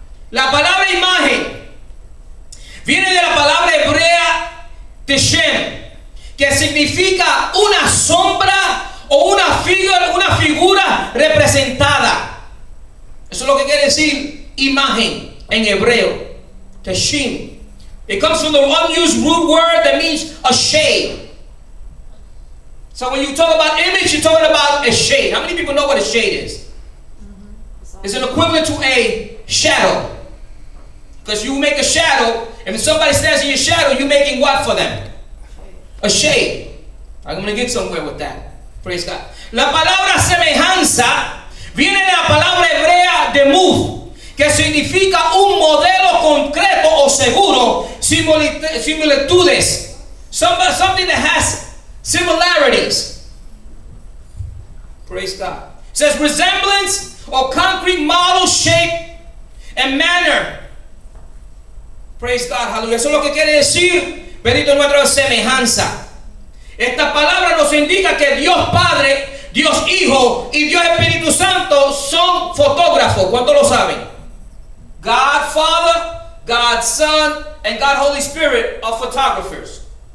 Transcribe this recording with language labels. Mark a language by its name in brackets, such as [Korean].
[Spanish] La palabra imagen viene de la palabra hebrea teshem, que significa una sombra o una figura representada. Eso es lo que quiere decir imagen en hebreo. Teshim. [English] It comes from the unused root word that means a shade. So when you talk about image, you're talking about a shade. How many people know what a shade is? It's an equivalent to a shadow. Because you make a shadow, and if somebody stands in your shadow, you're making what for them? A shade. I'm going to get somewhere with that. Praise God. [Spanish] La palabra semejanza viene de la palabra hebrea demuth, que significa un modelo concreto o seguro, similitudes, [English] something that has similarities. Praise God. It says resemblance or concrete model, shape, and manner. Praise God. Hallelujah. [Spanish] Eso es lo que quiere decir, bendito nuestro, semejanza. Esta palabra nos indica que Dios Padre, Dios Hijo y Dios Espíritu Santo son fotógrafos. ¿Cuántos lo saben? [English] God Father, God Son, and God Holy Spirit are photographers.